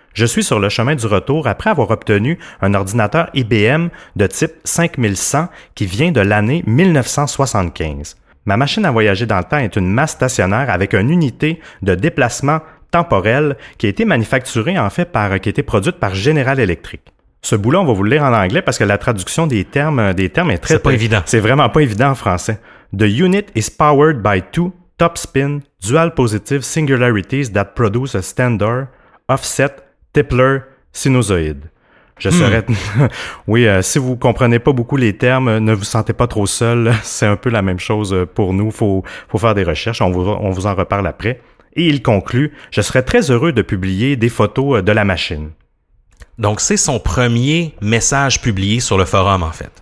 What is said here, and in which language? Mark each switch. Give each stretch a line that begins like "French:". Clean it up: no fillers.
French: Je suis sur le chemin du retour après avoir obtenu un ordinateur IBM de type 5100 qui vient de l'année 1975. Ma machine à voyager dans le temps est une masse stationnaire avec une unité de déplacement temporelle qui a été manufacturée, en fait, qui a été produite par General Electric. Ce bout-là, on va vous le lire en anglais parce que la traduction des termes est très... C'est pas évident. C'est vraiment pas évident en français.
English: The unit is powered by two top-spin dual-positive singularities that produce a standard offset Tipler sinusoid.
French: Si vous comprenez pas beaucoup les termes, ne vous sentez pas trop seul. C'est un peu la même chose pour nous. Faut faire des recherches. On vous en reparle après. Et il conclut, je serais très heureux de publier des photos de la machine. Donc, c'est son premier message publié sur le forum, en fait.